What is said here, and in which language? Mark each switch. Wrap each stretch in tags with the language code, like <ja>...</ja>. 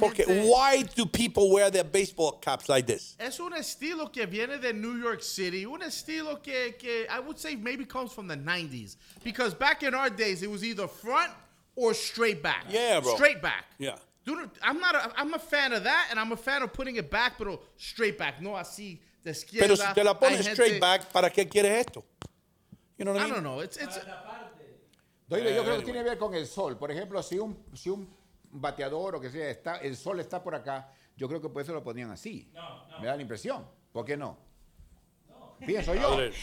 <en>Porque, why do people wear their baseball caps like this?</en> <es>Es un estilo que viene de New York City. Un estilo que</es> <en>I would say maybe comes from the 90s. Because back in our days, it was either front or straight back. Yeah, bro. Straight back. Yeah. Dude, I'm a fan of that, and I'm a fan of putting it back, pero straight back.</en> <es>No así de izquierda. Pero si te la pones</es> <en>straight back,</en> <es>¿para qué quieres esto?</es> <en>You know what I mean? I don't know. It's</en> <es>Doyle, yo creo que tiene que ver con el sol. Por ejemplo, si un bateador o que sea, está, el sol está por acá, yo creo que por eso lo ponían así. No. Me da la impresión. ¿Por qué no? Pienso yo. Adler.</es>